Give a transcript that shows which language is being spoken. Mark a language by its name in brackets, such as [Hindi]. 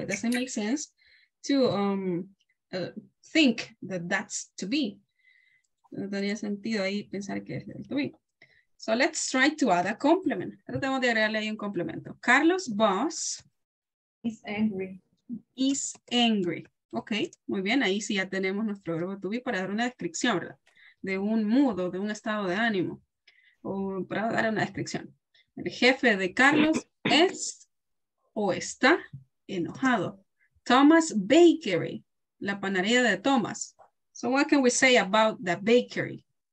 [English] It doesn't make sense to think that that's to be. [Spanish] No tendría sentido ahí pensar que es el to be. [English] So let's try to add a complement. [Spanish] Tratemos de agregarle ahí un complemento. [English] Carlos Boss is angry. Is angry. [Spanish] Ok, muy bien, ahí sí ya tenemos nuestro verbo to be para dar una descripción, ¿verdad? De un mood, de un estado de ánimo, o para dar una descripción. El jefe de Carlos es o está enojado. Thomas Bakery, la panadería de Thomas. [English] So what can we say about the bakery?